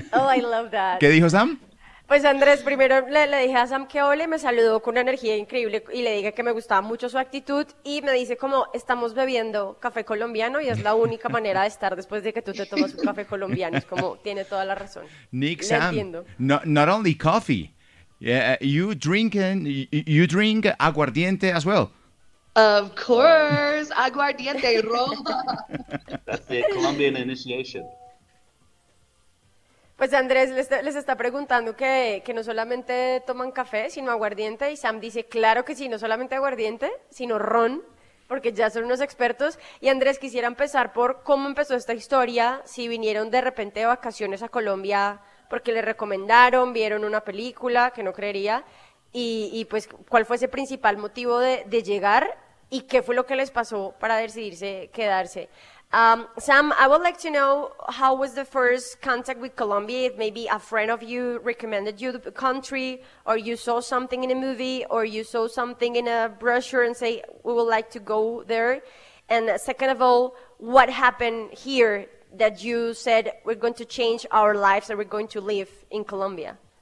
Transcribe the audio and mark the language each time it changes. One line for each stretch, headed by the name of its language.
English: Oh, I love that.
Spanish: ¿Qué dijo Sam? Pues Andrés, primero le dije a Sam que ole, me saludó con una energía increíble y le dije que me gustaba mucho su actitud y me dice como estamos bebiendo café colombiano y es la única manera de estar después de que tú te tomas un café colombiano. Es como tiene toda la razón.
English: Nick, le Sam, not only coffee, you drink aguardiente as well. Of course, aguardiente roja. That's the Colombian initiation.
Spanish: Pues Andrés les está preguntando que no solamente toman café, sino aguardiente. Y Sam dice, claro que sí, no solamente aguardiente, sino ron, porque ya son unos expertos. Y Andrés, quisiera empezar por cómo empezó esta historia, si vinieron de repente de vacaciones a Colombia, porque le recomendaron, vieron una película, que no creería, y pues cuál fue ese principal motivo de llegar y qué fue lo que les pasó para decidirse quedarse.
English: Sam, I would like to know how was the first contact with Colombia. Maybe a friend of you recommended you the country, or you saw something in a movie, or you saw something in a brochure and say, we would like to go there. And second of all, what happened here that you said, we're going to change our lives and we're going to live in Colombia?